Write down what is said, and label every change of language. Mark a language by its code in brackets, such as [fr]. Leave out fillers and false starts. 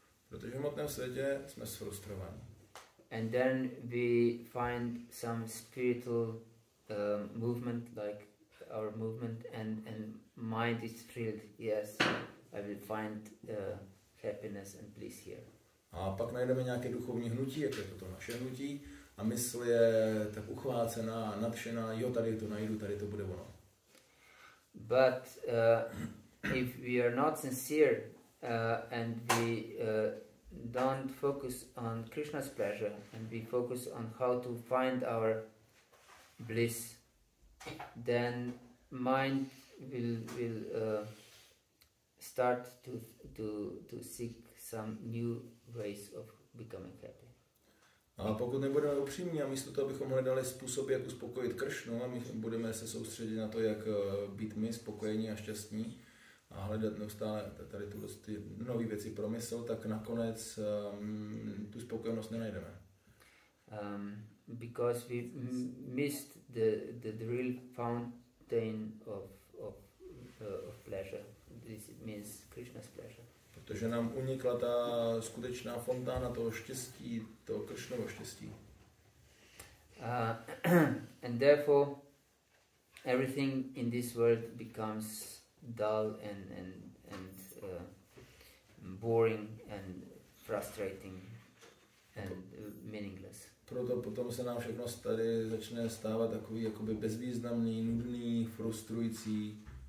[cs] Protože v hmotném světě jsme frustrovaní. [en] And then we find some spiritual movement, like our movement, and mind is thrilled. Yes, I will find happiness and bliss here. [cs] A pak najdeme nějaké duchovní hnutí, jako je to naše hnutí, a mysl je tak uchvácená, nadšená, jo, tady to najdu, tady to bude ono. [en] But if we are not sincere and we don't focus on Krishna's pleasure and we focus on how to find our bliss, then mind will start to seek some new ways of becoming happy. [cs] A pokud nebudeme upřímní a místo toho, abychom hledali způsob, jak uspokojit Kršnu, a my budeme se soustředit na to, jak být my spokojení a šťastní a hledat neustále tady ty nové věci pro mysl, tak nakonec tu spokojenost nenajdeme. [en] Because we missed the real fountain of pleasure. This means Krishna's pleasure. [cs] Protože nám unikla ta skutečná fontána toho štěstí, toho Kršnovo štěstí. [en] And therefore everything in this world becomes dull and boring and frustrating and meaningless. [cs] Proto potom se nám všechno tady začne stávat takový jakoby bezvýznamný, nudný, frustrující.